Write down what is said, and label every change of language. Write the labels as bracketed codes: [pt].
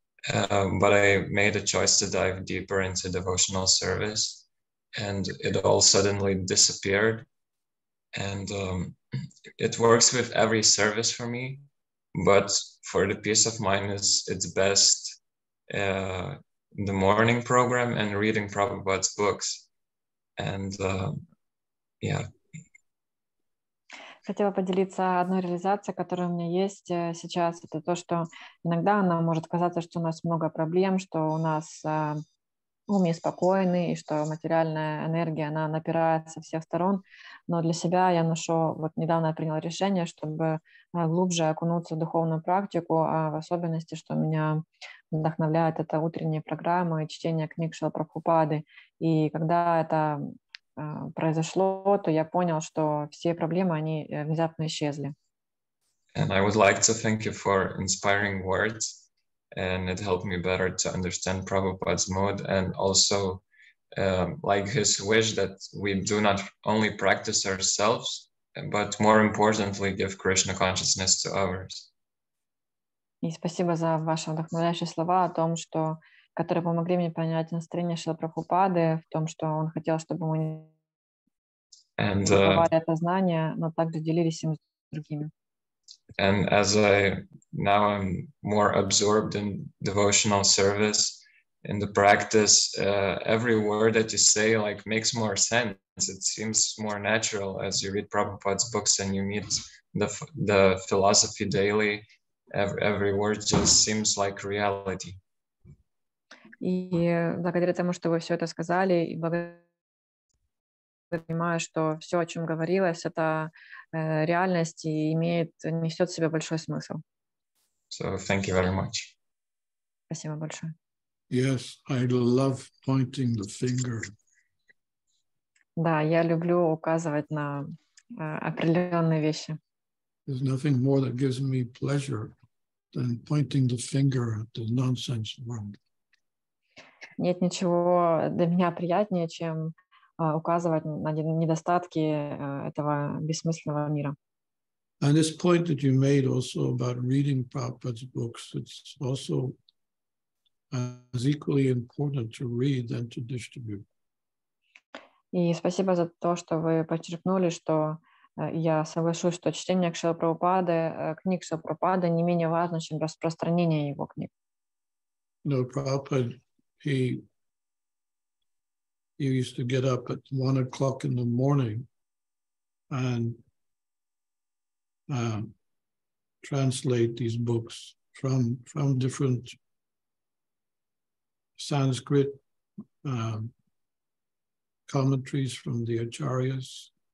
[en] But I made a choice to dive deeper into devotional service and it all suddenly disappeared. And it works with every service for me. But for the peace of mind, it's best the morning program and reading Prabhupada's books. And [ru] Хотела поделиться одной реализацией, которая у меня есть сейчас. Это то, что иногда нам может казаться, что у нас много проблем, что у нас ум неспокойный, и что материальная энергия, она напирает со всех сторон. Но для себя я нашел, вот недавно я принял решение, чтобы глубже окунуться в духовную практику, а в особенности, что меня вдохновляет это утренние программы и чтение книг Шрилы Прабхупады. И когда это произошло, то я понял, что все проблемы, они внезапно исчезли. [en] And I would like to thank you for inspiring words. And it helped me better to understand Prabhupada's mood and also like his wish that we do not only practice ourselves, but more importantly, give Krishna consciousness to others. [ru] И спасибо за ваши вдохновляющие слова о том, что которые помогли мне понять настроение Шрилы Прабхупады в том, что он хотел, чтобы мы давали это знание, но также делились им с другими. [en] And as I now I'm more absorbed in devotional service in the practice, every word that you say like makes more sense. It seems more natural as you read Prabhupada's books and you meet the philosophy daily. Every word just seems like reality. [ru] И благодаря тому, что вы все это сказали, и понимаю, что все, о чем говорилось, это реальность и имеет, несет в себе большой смысл. [en] So thank you very much. [ru] Спасибо большое. [en] Yes, I love pointing the finger. [ru] Да, я люблю указывать на определенные вещи. [en] There's nothing more that gives me pleasure than pointing the finger at the nonsense world. [ru] Нет ничего для меня приятнее, чем указывать на недостатки этого бессмысленного мира. [en] And this point that you made also about reading Prabhupada's books, it's also as equally important to read than to distribute. [ru] И спасибо за то, что вы подчеркнули, что я соглашусь, что чтение Шрилы Прабхупады, книг Шрилы Прабхупады не менее важно, чем распространение его книг. [en] No, Prabhupada, he used to get up at 1 o'clock in the morning and translate these books from different Sanskrit commentaries from the Acharyas.